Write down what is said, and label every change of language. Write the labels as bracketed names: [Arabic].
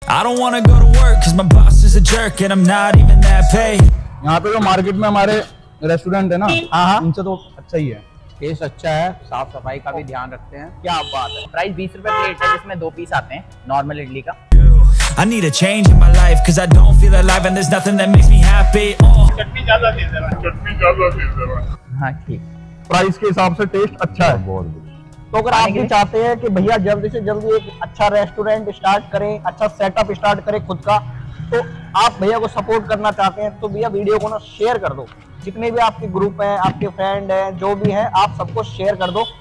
[English] I don't wanna go to work cause my boss is a jerk and I'm not even that paid. [Hindi] यहाँ पे जो market में हमारे restaurant है ना, हाँ हाँ, उनसे तो अच्छा ही है, टेस्ट अच्छा है, साफ सफाई का भी ध्यान रखते हैं। क्या बात है, प्राइस 20 रुपए प्लेट है जिसमें दो पीस आते हैं नॉर्मल इडली का। [English] I need a change in my life cause I don't feel alive and there's nothing that makes me happy. [Hindi] चटनी ज्यादा दे दे रहा, चटनी ज्यादा दे दे रहा। हाँ ठीक, प्राइस के हिसाब से टेस्ट अच्छा है, बहुत। तो अगर आप भी चाहते हैं कि भैया जल्द से जल्द एक अच्छा रेस्टोरेंट स्टार्ट करें, अच्छा सेटअप स्टार्ट करें खुद का, तो आप भैया को सपोर्ट करना चाहते हैं तो भैया वीडियो को ना शेयर कर दो, जितने भी आपके ग्रुप हैं, आपके फ्रेंड हैं, जो भी हैं, आप सबको शेयर कर दो।